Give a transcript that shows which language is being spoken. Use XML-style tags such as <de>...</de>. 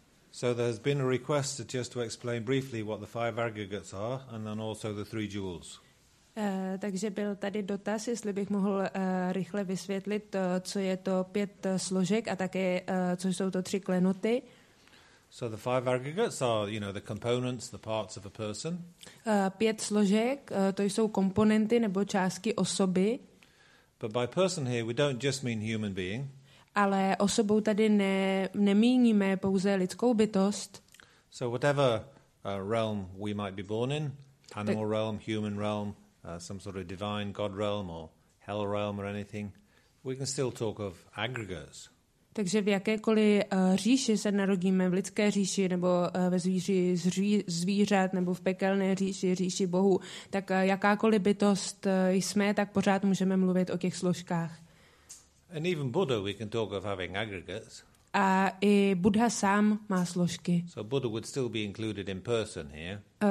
<en>So there's been a request to just to explain briefly what the five aggregates are and then also the three jewels.</en> <cs>Takže byl tady dotaz, jestli bych mohl rychle vysvětlit, co je to pět složek a také co jsou to tři klenoty.</cs> <en>So the five aggregates are, you know, the components, the parts of a person.</en> <cs>Pět složek, to jsou komponenty nebo částky osoby.</cs> <en>But by person here we don't just mean human being.</en> <cs>Ale osobou tady nemíníme pouze lidskou bytost.</cs> <en>So whatever realm we might be born in, animal realm, human realm, some sort of divine god realm or hell realm or anything, we can still talk of aggregates.</en> <cs>Takže v jakékoliv říši se narodíme, v lidské říši nebo ve zvíři zvířat nebo v pekelné říši, říši bohu, tak jakákoliv bytost jsme, tak pořád můžeme mluvit o těch složkách.</cs> <en>And even Buddha we can talk of having aggregates.</en> <cs>A i Buddha sám má složky.</cs> <en>So Buddha would still be included in person here.</en>